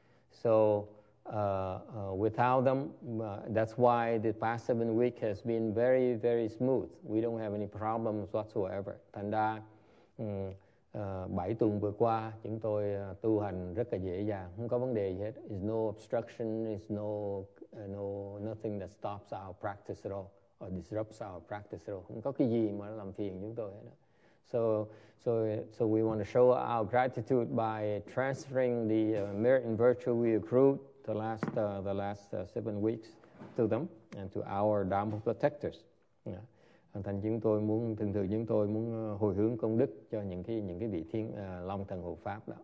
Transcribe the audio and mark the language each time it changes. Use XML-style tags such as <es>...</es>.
<en>So without them, that's why the past 7 weeks has been very very smooth. We don't have any problems whatsoever.</en> <vi>Thành ra 7 tuần vừa qua chúng tôi tu hành rất là dễ dàng, không có vấn đề gì hết.</vi> <en>It's no obstruction, it's nothing that stops our practice at all or disrupts our practice at all.</en> <vi>Không có cái gì mà làm phiền chúng tôi hết.</vi> <en>So we want to show our gratitude by transferring the merit and virtue we accrued the last 7 weeks to them and to our Dharma protectors. Yeah.</en> <vi>Thành chúng tôi muốn, thường thường chúng tôi muốn hồi hướng công đức cho những cái vị thiên long thần hộ pháp đó.</vi>